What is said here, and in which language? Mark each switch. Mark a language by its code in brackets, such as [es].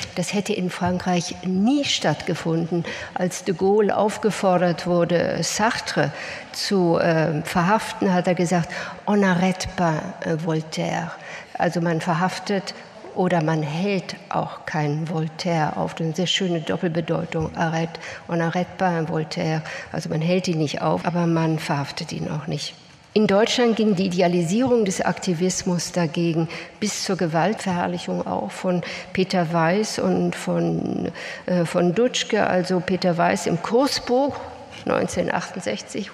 [de] Das hätte in Frankreich nie stattgefunden. Als de Gaulle aufgefordert wurde, Sartre zu verhaften, hat er gesagt, [fr] on n'arrête pas Voltaire. [de] Also man verhaftet oder man hält auch keinen Voltaire auf. Das ist eine sehr schöne Doppelbedeutung. [fr] Arrête, on arrête pas un Voltaire. [de] Also man hält ihn nicht auf, aber man verhaftet ihn auch nicht. In Deutschland ging die Idealisierung des Aktivismus dagegen bis zur Gewaltverherrlichung auch von Peter Weiß und von Dutschke. Also Peter Weiß im Kursbuch 1968.